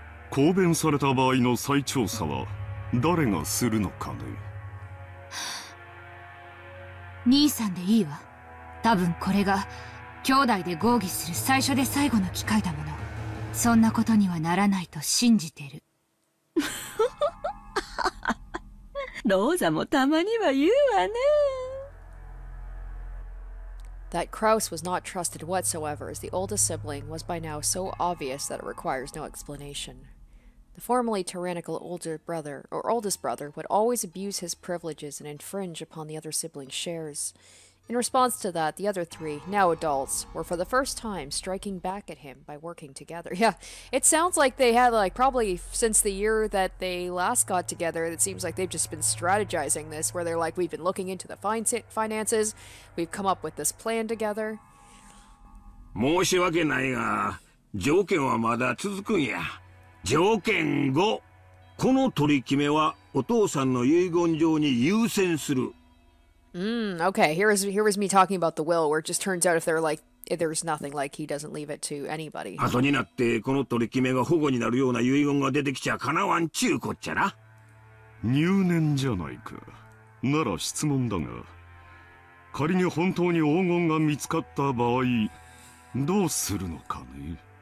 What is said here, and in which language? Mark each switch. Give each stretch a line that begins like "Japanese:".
Japanese: 公弁された場合の再調査は誰がするのかね。兄さんでいいわ。多分これが兄弟で合議する最初で最後の機会だもの。そんなことにはならないと信じてる。ローザもたまには言うわね。
English: That Kraus was not trusted whatsoever, as the oldest sibling was by now so obvious that it requires no explanation. The formerly tyrannical oldest brother would always abuse his privileges and infringe upon the other siblings' shares. In response to that, the other three, now adults, were for the first time striking back at him by working together. Yeah, it sounds like they had, like, probably since the year that they last got together, it seems like they've just been strategizing this, where they're like, we've been looking into the finances, we've come up with this plan together.
Japanese: 申し訳ないが、条件はまだ続くんや。条件5。この取り決めはお父さんの遺言状に優先する。
English: Okay, here is me talking about the will, where it just turns out if they're like, there's nothing like he doesn't leave it to anybody.
Japanese: 後になってこの取り決めが保護になるような遺言が出てきちゃかなわんちゅうこっちゃな。入念じゃないか。なら質問だが、仮に本当に黄金が見つかった場合、どうするのかね。